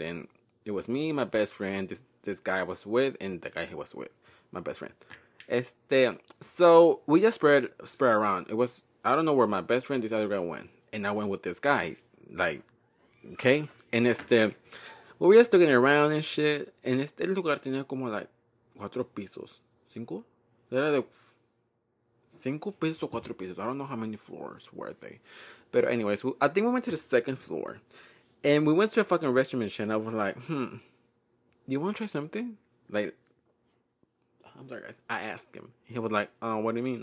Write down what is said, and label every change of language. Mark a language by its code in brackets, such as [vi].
[en] And it was me, my best friend, this guy I was with, and the guy he was with, my best friend. So, we just spread around. It was, I don't know where my best friend, this other guy went. And I went with this guy. Like, okay? And we were just looking around and shit. [es] And este lugar tenía como, like, cuatro pisos. Cinco? Era de cinco pisos o cuatro pisos. [en] I don't know how many floors were they. But anyways, I think we went to the second floor. And we went to a fucking restroom and shit. And I was like, you want to try something? Like, I'm sorry, guys. I asked him. He was like, what do you mean?